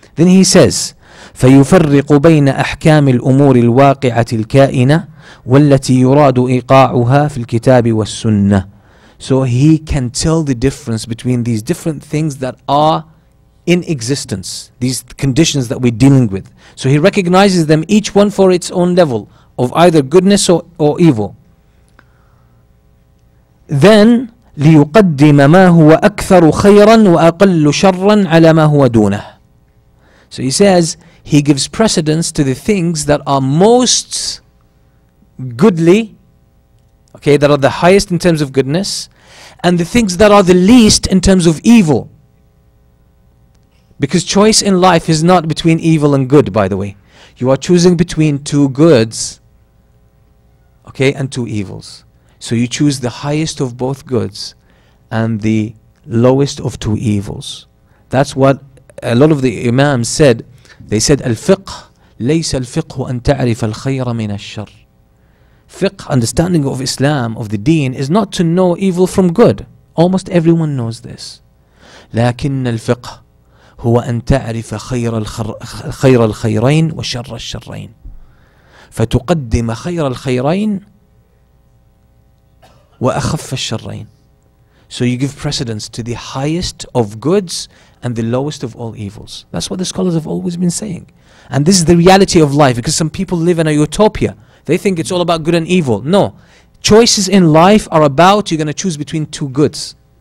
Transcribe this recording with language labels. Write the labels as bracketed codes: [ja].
[en] Then he says, [ar] فَيُفَرِّقُ بَيْنَ أَحْكَامِ الْأُمُورِ الْوَاقِعَةِ الْكَائِنَةِ وَالَّتِي يُرَادُ إِقَاعُهَا فِي الْكِتَابِ وَالسُّنَّةِ. [en] So he can tell the difference between these different things that are in existence, these conditions that we're dealing with. So he recognizes them, each one for its own level of either goodness or evil. Then [ar] لِيُقَدِّمَ مَا هُوَ أَكْثَرُ خَيْرًا وَأَقَلُّ شَرًّا عَلَى مَا هُوَ دُونَهُ. [en] So he says he gives precedence to the things that are most goodly, okay, that are the highest in terms of goodness, and the things that are the least in terms of evil. Because choice in life is not between evil and good, by the way. You are choosing between two goods, okay, and two evils. So you choose the highest of both goods and the lowest of two evils. That's what a lot of the imams said. They said, [ar] الفقه ليس الفقه أن تعرف الخير من الشر. [en] Fiqh, understanding of Islam, of the deen, is not to know evil from good. Almost everyone knows this. [ar] لكن الفقه هو أن تعرف خير خير الخيرين وشر الشرين فتقدم خير الخيرين وأخف الشرين. [en] So you give precedence to the highest of goods and the lowest of all evils. That's what the scholars have always been saying. And this is the reality of life, because some people live in a utopia. They think it's all about good and evil. No. Choices in life are about, you're going to choose between two goods.